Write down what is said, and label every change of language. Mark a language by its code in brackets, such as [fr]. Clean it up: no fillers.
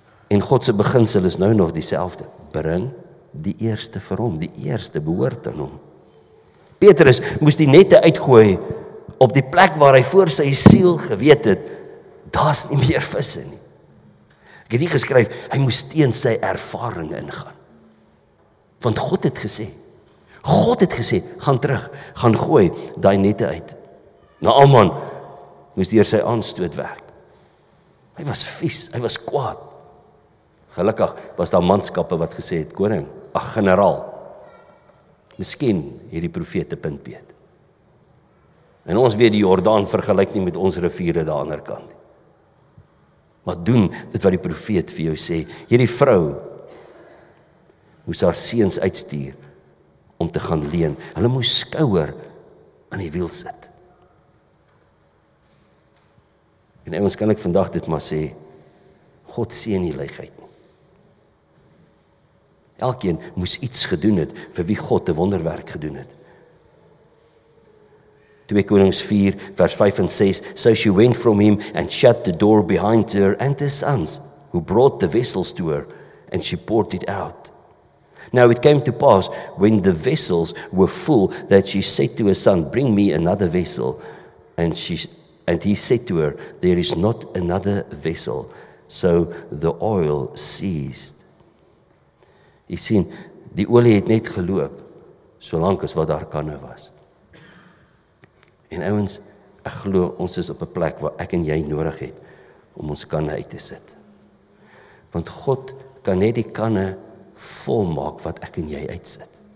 [af] En God se beginsel is nou nog dieselfde. Bring die eerste vir hom, die eerste behoort aan hom. Petrus moes die nette uitgooi op die plek waar hy voor sy siel geweet het, daar's nie meer visse nie. Ek het nie geskryf, hy moes teen sy ervaring ingaan. Want God het gesê, gaan terug, gaan gooi daai nette uit. Naaman moes deur sy aanstoot werk. Hy was vies, hy was kwaad. Gelukkig was daar manskappe wat gesê het, koning, ag generaal, miskien hierdie profete punt beet. En ons weet die Jordaan vergelyk nie met ons riviere daar aan die ander kant. Maar doen dit wat die profeet vir jou sê. Hierdie vrou moes haar seuns uitstuur om te gaan leen. Hulle moes skouer aan die wiel sit. En ons kan ek vandag dit maar sê, God seën die leegheid nie. Elkeen moes iets gedoen het vir wie God 'n wonderwerk gedoen het. 2 Konings 4 vers 5 en 6, [en] so she went from him and shut the door behind her and his sons, who brought the vessels to her, and she poured it out. Now it came to pass, when the vessels were full, that she said to her son, bring me another vessel. And he said to her, there is not another vessel. So the oil ceased. [af] Jy sien, die olie het net geloop, solank as wat daar kanne was. En ouens, ek glo ons is op 'n plek waar ek en jy nodig het om ons kanne uit te sit. Want God kan net die kanne volmaak wat ek en jy uitsit.